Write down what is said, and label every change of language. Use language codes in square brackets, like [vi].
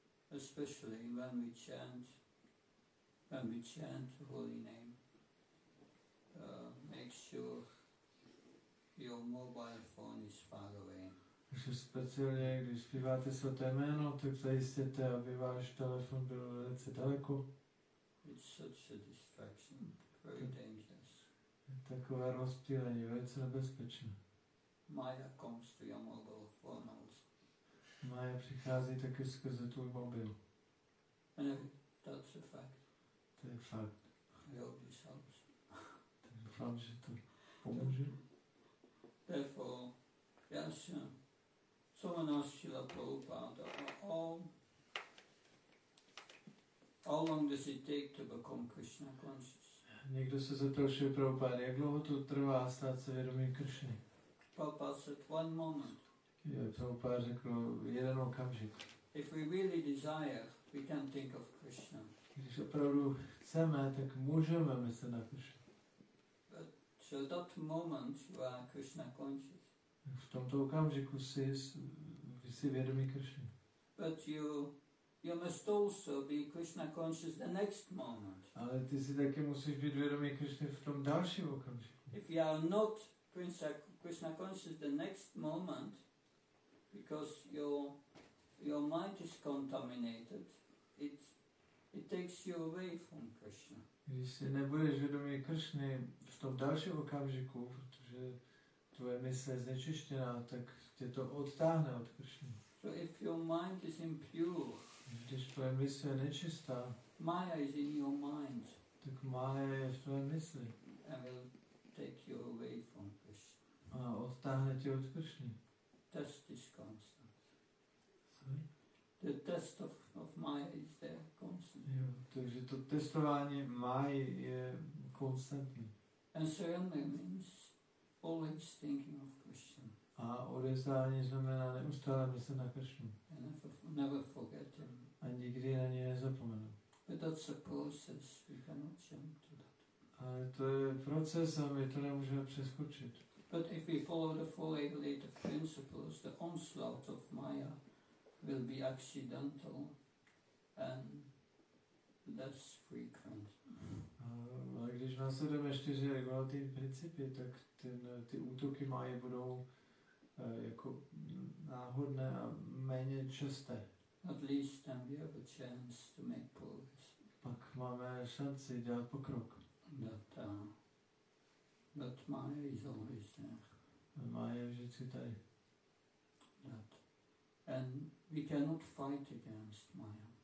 [en] Especially when we chant the holy name, make sure your mobile phone is far away. [cs] Takže speciálně, když zpíváte svaté jméno, tak zajistěte, aby váš telefon byl velice daleko. [en] It's such a distraction, very dangerous. [cs] Takové rozptýlení, velice nebezpečné. [en] Maya comes to your mobile phone also. [cs] Maja přichází taky skrze tvůj mobil. [en] That's a fact. [cs] To je fakt. [en] I hope this helps. [cs] Tak doufám, že to pomůže. [en] Therefore, yes, someone asked Srila Prabhupada, how long does it take to become Krishna conscious? [cs] Někdo se zeptal Srila Prabhupada, jak dlouho to trvá stát se vědomým Krishny? [en] Prabhupada said, one moment. [cs] Prabhupada řekl, jeden okamžik. [en] If we really desire, we can think of Krishna. [cs] Když opravdu chceme, tak můžeme myslet na Krishna. [en] But so that moment you are Krishna conscious. [cs] V tomto okamžiku si vědomí Krishna. [en] But you must also be Krishna conscious the next moment. [cs] Ale ty si taky musíš být vědomý Krishna v tom dalším okamžiku. [en] If you are not Krishna conscious the next moment, because your mind is contaminated, it takes you away from Krishna. [cs] Když si nebudeš vědomý Krishna v tom dalším okamžiku, protože tvoje mysl je znečištěná, tak tě to odtáhne od Krishna. [en] So if your mind is impure, [cs] když tvoje mysl je nečistá, [en] Maya is in your mind, [cs] tak Maya je v tvé mysli. [en] And will take you away from Krishna. [cs] A odtáhne tě od Krishna. [en] Test is constant. Sorry? The test of Maya is there constant. [cs] Jo, takže to testování Maya je konstantní. [en] And surrender means always thinking of Krishna. [cs] A odevzdání znamená neustále myslet na Krishna. [en] And never forget him. [cs] A nikdy na něj nezapomenu. [en] But that's a process, we cannot jump to that. [cs] Ale to je proces a my to nemůžeme přeskočit. [en] But if we follow the four regulative principles, the onslaught of Maya will be accidental and less frequent. [cs] A když následujeme čtyři regulativní principy, tak ty útoky Maya budou jako náhodné a méně časté. [en] At least then we have a chance to make progress. [cs] Pak máme šanci dělat pokrok. [en] But Maya is always there. [cs] Maya je vždycky tady. [en] And we cannot fight against Maya.